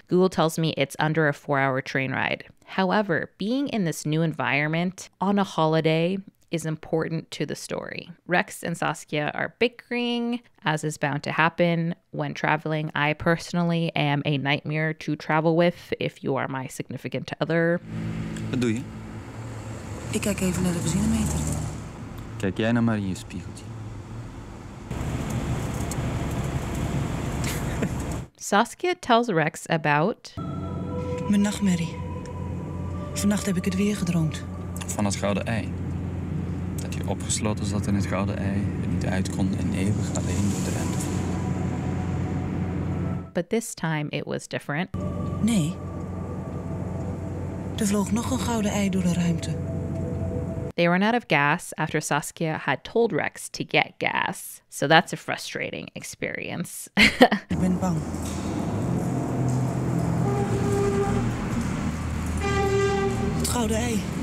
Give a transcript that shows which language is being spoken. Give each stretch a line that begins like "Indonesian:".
English: Google tells me it's under a 4-hour train ride. However, being in this new environment on a holiday is important to the story. Rex and Saskia are bickering, as is bound to happen when traveling. I personally am a nightmare to travel with if you are my significant other.
Dutch: Wat doe je? Ik kijk even naar de benzinemeter. Kijk jij nou maar in je spiegeltje.
English: Saskia tells Rex about
Dutch: mijn nachtmerrie. Vannacht heb ik het weer gedroomd. Van het gouden ei. Dat je opgesloten zat in het gouden ei en niet uit kon en eeuwig alleen door de rente.
English: But this time it was different.
Dutch: Nee. Er vloog nog een gouden ei door de ruimte.
English: They ran out of gas after Saskia had told Rex to get gas. So that's a frustrating experience.
Dutch: Ik ben bang. Het gouden ei.